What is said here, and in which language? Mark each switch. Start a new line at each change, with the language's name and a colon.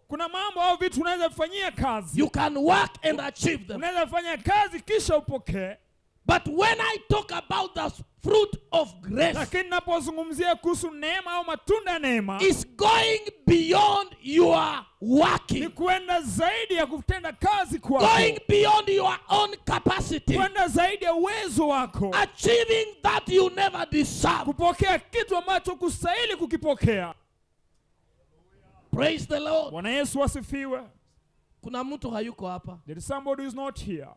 Swahili: Kuna mambo au vitu unaweza kufanyia kazi.
English: You can work and achieve them.
Swahili: Unaweza fanya kazi kisha upokee.
English: But when I talk about the fruit of grace.
Swahili: Lakini ninapozungumzia kuhusu neema au matunda ya neema.
English: It's going beyond your working.
Swahili: Ni kwenda zaidi ya kutenda kazi kwako.
English: Going beyond your own capacity.
Swahili: Kwenda zaidi ya uwezo wako.
English: Achieving that you never deserve.
Swahili: Kupokea kitu ambacho kustahili kukipokea.
English: Praise the Lord.
Swahili: Bwana Yesu asifiwe. Kuna mtu hayuko hapa.
English: There is somebody who is not here.